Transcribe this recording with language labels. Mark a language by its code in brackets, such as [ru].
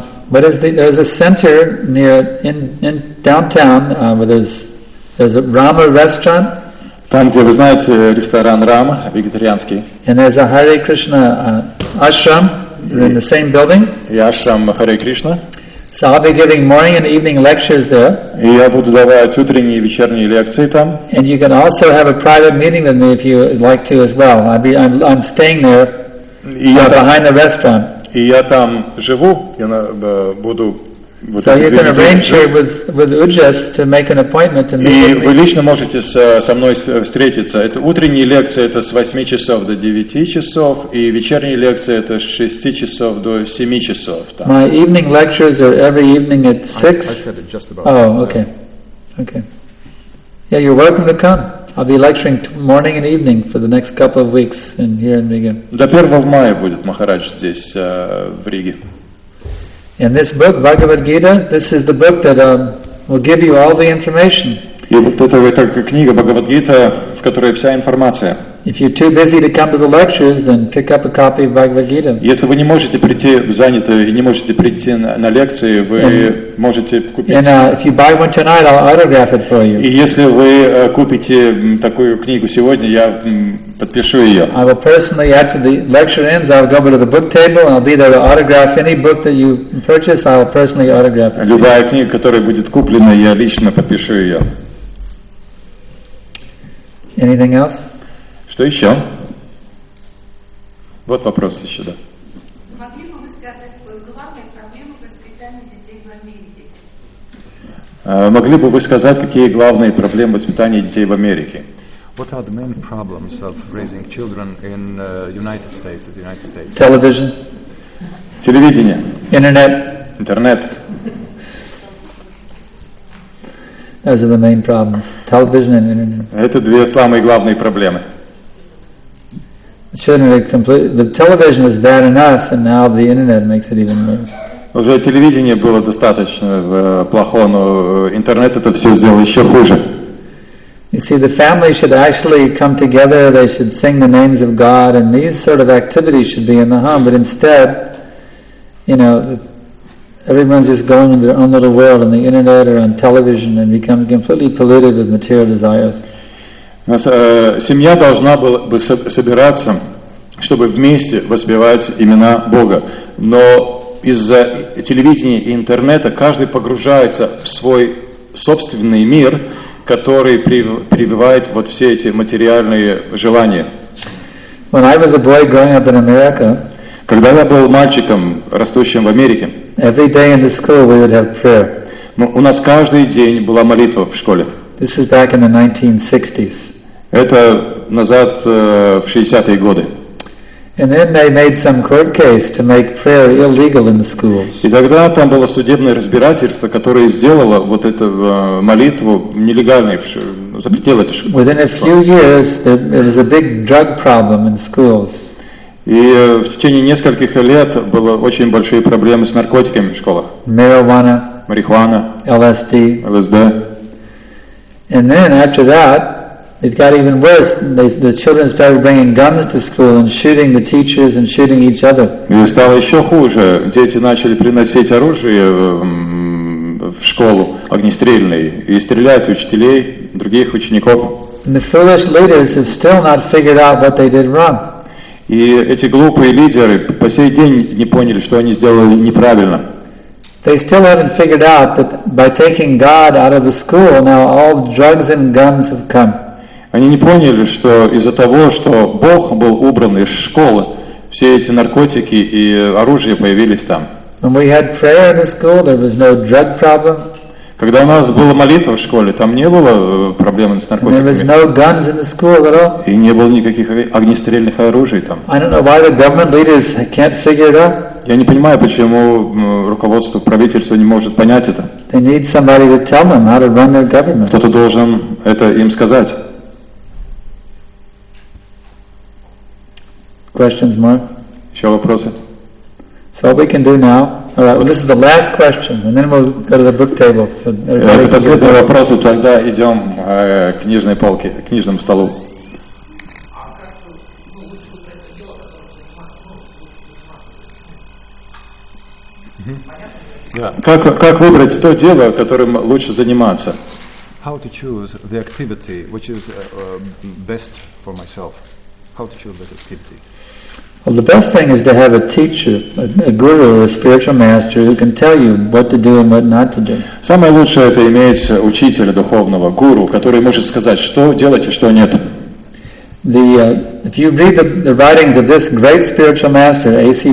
[en] There's a center near in downtown where there's a Rama restaurant. [ru] Там, где вы знаете, ресторан Рама, вегетарианский. [en] And there's a Hare Krishna ashram in the same building. [ru] И ашрам Харе Кришна. [en] So I'll be giving morning and evening lectures there. [ru] И я буду давать утренние и вечерние лекции там. [en] And you can also have a private meeting with me if you like to as well. I'm staying there behind the restaurant. [ru] И я там живу, я буду. Вот so you can arrange here with Ujjas to make an appointment to meet И вы лично можете со мной встретиться. Это утренние лекции, это с 8 часов до 9 часов, и вечерние лекции это с 6 часов до 7 часов. Там. [en] My evening lectures are every evening at 6. I said it just about. Oh, okay. Okay. Yeah, you're welcome to come. I'll be lecturing morning and evening for the next couple of weeks in here in Riga. [ru] До 1 мая будет Махарадж здесь в Риге. [en] And this book, Bhagavad Gita, this is the book that will give you all the information. [ru] И вот эта книга Бхагавад Гита, в которой вся информация. [en] If you're too busy to come to the lectures, then pick up a copy of Bhagavad Gita. [ru] Если вы не можете прийти заняты и не можете прийти на лекции, вы можете купить. [en] And if you buy one tonight, I'll autograph it for you. [ru] И если вы купите такую книгу сегодня, я подпишу ее. [en] I will personally, after the lecture ends, I'll go over to the book table and I'll be there to autograph any book that you purchase. I'll personally autograph it. [ru] Любая книга, которая будет куплена, я лично подпишу ее. [en] Anything else? [ru] Что еще? Вот вопрос еще, да. Могли бы вы сказать главные проблемы воспитания детей в Америке? Могли бы вы сказать, какие главные проблемы воспитания детей в Америке? [en] What are the main problems of raising children in United States, in the United States? Television. [ru] Телевидение. [en] Internet. [ru] Интернет. [en] Those are the main problems. Television and internet. [ru] Это две самые главные проблемы. [en] Shouldn't it complete? The television is bad enough, and now the internet makes it even worse. [ru] Уже телевидение было достаточно плохо, но интернет это все сделал еще хуже. [en] You see, the family should actually come together. They should sing the names of God, and these sort of activities should be in the home. But instead, you know, everyone's just going in their own little world on the internet or on television, and becoming completely polluted with material desires. [ru] Семья должна была бы собираться, чтобы вместе воспевать имена Бога. Но из-за телевидения и интернета каждый погружается в свой собственный мир, который прививает вот все эти материальные желания. [en] When I was a boy growing up in America, [ru] когда я был мальчиком, растущим в Америке, [en] every day in the school we would have prayer. [ru] У нас каждый день была молитва в школе. [en] This is back in the 1960s. [ru] Это назад в 60-е годы. [en] And then they made some court case to make prayer illegal in the schools. [ru] И тогда там было судебное разбирательство, которое сделало вот эту молитву нелегальной, запретило это. [en] Within a few years, there was a big drug problem in schools. [ru] И в течение нескольких лет было очень большие проблемы с наркотиками в школах. [en] Marijuana. [ru] Марихуана. [en] LSD. [ru] LSD. [en] And then after that. It got even worse. The children started bringing guns to school and shooting the teachers and shooting each other. [ru] И стало еще хуже. Дети начали приносить оружие в школу, огнестрельное, и стреляют учителей, других учеников. [en] And the foolish leaders have still not figured out what they did wrong. [ru] И эти глупые лидеры по сей день не поняли, что они сделали неправильно. [en] They still haven't figured out that by taking God out of the school, now all drugs and guns have come. [ru] Они не поняли, что из-за того, что Бог был убран из школы, все эти наркотики и оружие появились там. [en] When we had prayer in the school, there was no drug problem. [ru] Когда у нас была молитва в школе, там не было проблем с наркотиками. [en] There was no guns in the school at all. [ru] И не было никаких огнестрельных оружий там. [en] I don't know why the government leaders can't figure it out. [ru] Я не понимаю, почему руководство правительства не может понять это. [en] They need somebody to tell them how to run their government. [ru] Кто-то должен это им сказать. [en] Questions, Mark? [ru] Еще вопросы? [en] So what we can do now? All right, well, this is the last question, and then we'll go to the book table. [ru] Это последний вопрос, и тогда идем к книжной полке, к книжному столу. Как выбрать то дело, которым лучше заниматься? [en] How to choose the activity which is best for myself? How to choose that activity? Well, the best thing is to have a teacher, a guru, a spiritual master who can tell you what to do and what not to do. [ru] Самое лучшее это иметь учителя духовного, гуру, который может сказать, что делать и что нет. [en] If you read the writings of this great spiritual master, A.C.